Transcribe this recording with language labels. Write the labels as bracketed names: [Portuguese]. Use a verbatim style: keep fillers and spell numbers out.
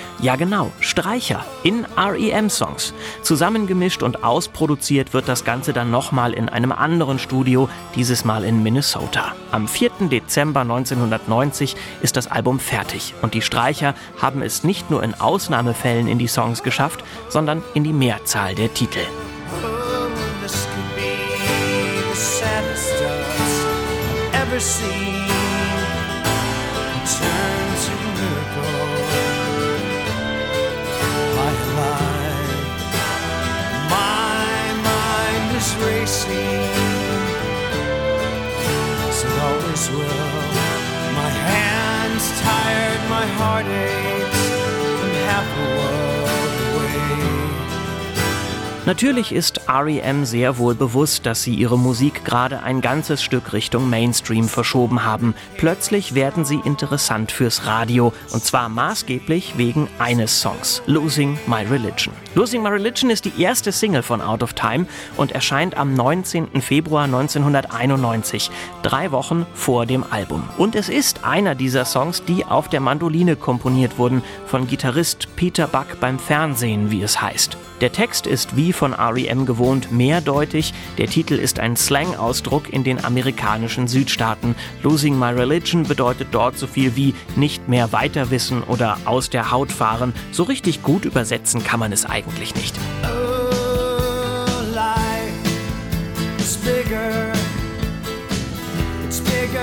[German] Ja genau, Streicher in R E M-Songs. Zusammengemischt und ausproduziert wird das Ganze dann nochmal in einem anderen Studio, dieses Mal in Minnesota. Am vierten Dezember neunzehnhundertneunzig ist das Album fertig und die Streicher haben es nicht nur in Ausnahmefällen in die Songs geschafft, sondern in die Mehrzahl der Titel. [English] Oh, this could be the saddest I've ever seen. Turns into a miracle. My life, my mind is racing, as it always will. My hands tired, my heart aches, I'm half a world away. [German] Natürlich ist R E M sehr wohl bewusst, dass sie ihre Musik gerade ein ganzes Stück Richtung Mainstream verschoben haben. Plötzlich werden sie interessant fürs Radio, und zwar maßgeblich wegen eines Songs, Losing My Religion. Losing My Religion ist die erste Single von Out of Time und erscheint am neunzehnten Februar neunzehnhunderteinundneunzig, drei Wochen vor dem Album. Und es ist einer dieser Songs, die auf der Mandoline komponiert wurden, von Gitarrist Peter Buck beim Fernsehen, wie es heißt. Der Text ist wie von R E M gewohnt mehrdeutig, der Titel ist ein Slang-Ausdruck in den amerikanischen Südstaaten. Losing My Religion bedeutet dort so viel wie nicht mehr weiter wissen oder aus der Haut fahren. So richtig gut übersetzen kann man es eigentlich nicht. [English] Oh, life is bigger. It's bigger.